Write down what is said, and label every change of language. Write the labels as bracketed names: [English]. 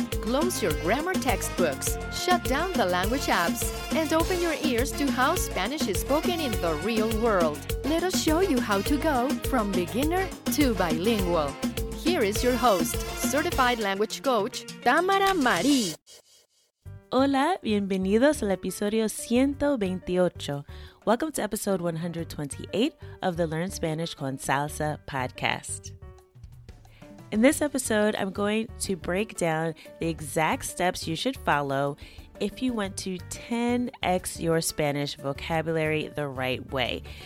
[English] Close your grammar textbooks, shut down the language apps, and open your ears to how Spanish is spoken in the real world. Let us show you how to go from beginner to bilingual. Here is your host, certified language coach, Tamara Marie. [Spanish] Hola, bienvenidos al episodio 128. [English] Welcome to episode 128 of the Learn Spanish con Salsa podcast. In this episode, I'm going to break down the exact steps you should follow if you want to 10x your Spanish vocabulary the right way.